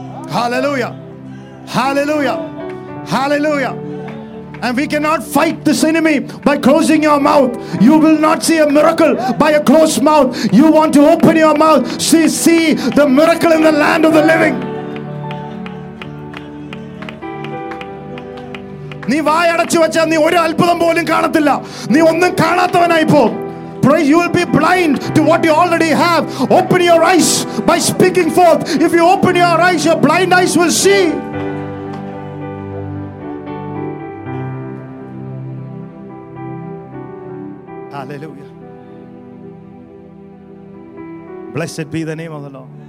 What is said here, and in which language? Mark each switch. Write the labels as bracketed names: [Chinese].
[English] Hallelujah. Hallelujah. Hallelujah. And we cannot fight this enemy by closing your mouth. You will not see a miracle by a closed mouth. You want to open your mouth. See the miracle in the land of the living. [Malayalam] നീ വായ അടച്ചു വെച്ചാൽ നീ ഒരു അത്ഭുതം പോലും കാണത്തില്ല. നീ ഒന്നും കാണാത്തവനായി പോ. [English] Praise, you will be blind to what you already have. Open your eyes by speaking forth. If you open your eyes, your blind eyes will see. Hallelujah. Blessed be the name of the Lord.